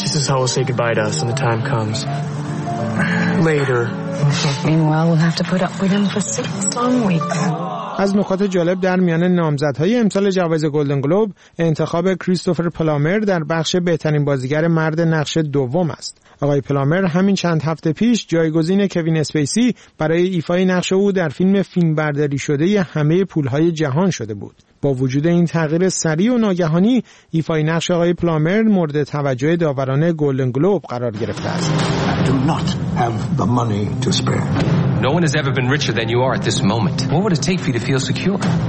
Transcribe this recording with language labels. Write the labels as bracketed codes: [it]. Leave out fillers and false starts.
[en] This is how we'll say goodbye to us when the time comes. Later. Meanwhile, we'll have to put up with him for 6 long weeks. [fa] از نکات جالب در میان نامزدهای امسال جوایز گلدن گلوب انتخاب کریستوفر پلامر در بخش بهترین بازیگر مرد نقش دوم است. آقای پلامر همین چند هفته پیش جایگزین کوین اسپیسی برای ایفای نقش او در فیلم فیلمبرداری شده ی همه پولهای جهان شده بود. با وجود این تغییر سریع و ناگهانی، ایفای نقش آقای پلامر مورد توجه داوران گلدن گلوب قرار گرفته است. [en] No one has ever been richer than you are at this moment. What would it take for you to feel secure?